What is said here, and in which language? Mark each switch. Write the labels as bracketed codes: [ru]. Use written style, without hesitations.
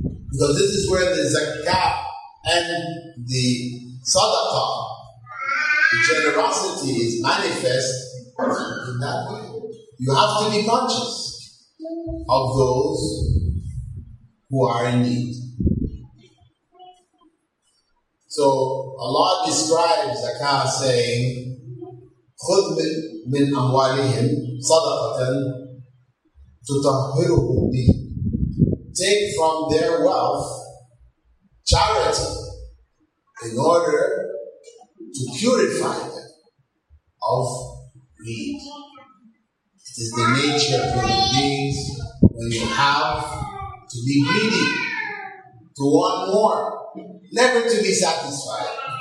[en] Because this is where the zakah and the sadaqah, the generosity, is manifest in that way. You have to be conscious of those who are in need. So Allah describes zakah saying, [ar] خُذْ مِنْ أَمْوَالِهِمْ صَدَقَةً تُطَهِّرُهُ بِهِ. [en] Take from their wealth charity in order to purify them of greed. It is the nature of human beings when you have to be greedy, to want more, never to be satisfied.